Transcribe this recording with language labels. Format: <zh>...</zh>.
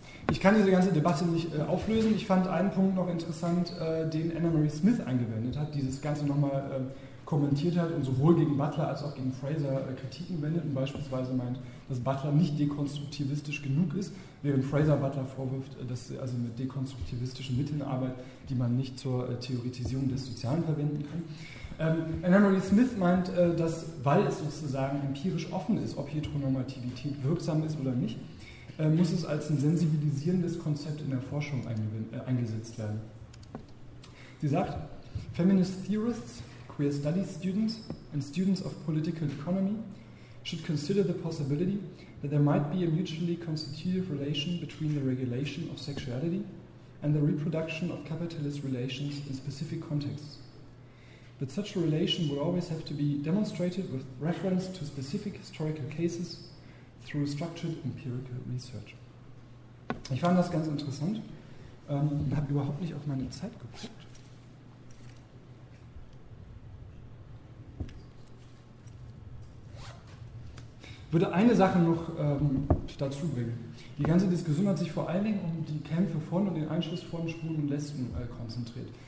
<de>Ich kann diese ganze Debatte nicht auflösen. Ich fand einen Punkt noch interessant, den Anna Marie Smith eingewendet hat, die das Ganze nochmal kommentiert hat und sowohl gegen Butler als auch gegen Fraser Kritiken wendet und beispielsweise meint, dass Butler nicht dekonstruktivistisch genug ist, während Fraser Butler vorwirft, dass sie also mit dekonstruktivistischen Mitteln arbeitet, die man nicht zur Theoretisierung des Sozialen verwenden kann. Anna Marie Smith meint, dass, weil es sozusagen empirisch offen ist, ob Heteronormativität wirksam ist oder nicht, muss es als ein sensibilisierendes Konzept in der Forschung eingesetzt werden. Sie sagt,</de> <en>Feminist theorists, queer studies students and students of political economy should consider the possibility that there might be a mutually constitutive relation between the regulation of sexuality and the reproduction of capitalist relations in specific contexts. But such a relation would always have to be demonstrated with reference to specific historical cases through structured empirical research.</en> <de>Ich fand das ganz interessant und habe überhaupt nicht auf meine Zeit geguckt. Ich würde eine Sache noch dazu bringen. Die ganze Diskussion hat sich vor allen Dingen um die Kämpfe von und den Einschluss von Schwulen und Lesben konzentriert.</de>